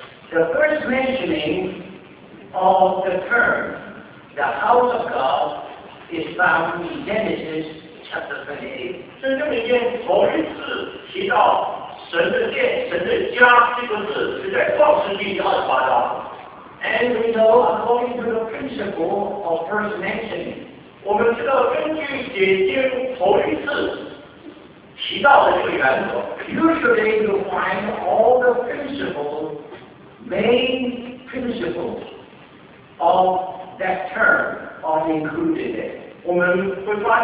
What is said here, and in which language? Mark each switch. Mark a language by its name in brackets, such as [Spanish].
[English] The first mentioning of the term the house of God is found in Genesis chapter 28. [Chinese] 圣经里面头一次提到神的殿、神的家这个字是在创世纪28章。 [English] And we know according to the principle of first mentioning. [Chinese] 我们知道根据解经头一次提到的这个原则。 [English] Usually you find all the principles, main principles of that term are included in it.